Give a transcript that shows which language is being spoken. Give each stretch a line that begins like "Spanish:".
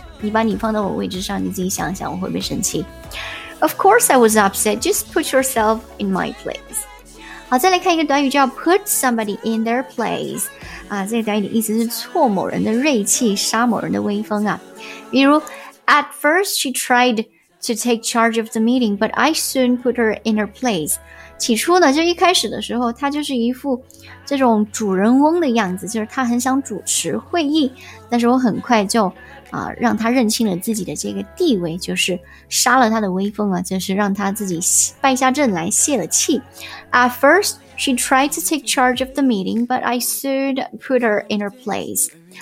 Chinese: 你把你放到我位置上，你自己想想，我会不会生气 ？
English: Of course I was upset. Just put yourself in my place.
Chinese: 好，再来看一个短语叫
English: put somebody in their place.
Chinese: 啊，这个短语的意思是挫某人的锐气，杀某人的威风啊。比如
English: ，At first she tried. To take charge of the meeting, but I soon put her in her place.
Chinese: 起初呢，就一开始的时候，她就是一副这种主人翁的样子，就是她很想主持会议，但是我很快就让她认清了自己的这个地位，就是杀了她的威风啊，就是让她自己败下阵来，泄了气。
English: At first, she tried to take charge of the meeting, but I soon put her in her place.